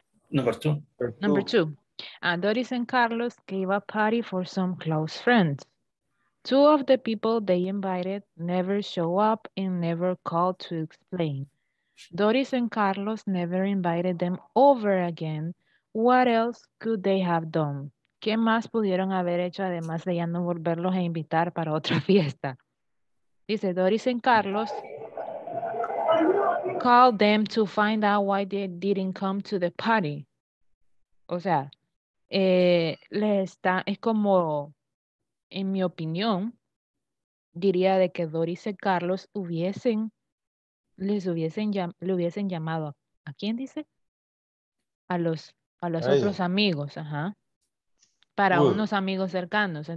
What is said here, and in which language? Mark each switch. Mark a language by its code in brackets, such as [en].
[en] Number two. And Doris and Carlos gave a party for some close friends. Two of the people they invited never show up and never called to explain. Doris and Carlos never invited them over again. What else could they have done? [es] ¿Qué más pudieron haber hecho además de ya no volverlos a invitar para otra fiesta? [en] Dice Doris and Carlos called them to find out why they didn't come to the party. [es] O sea, es como, en mi opinión, diría de que Doris y Carlos le hubiesen llamado a quién dice, a los otros amigos, ajá, para unos amigos cercanos.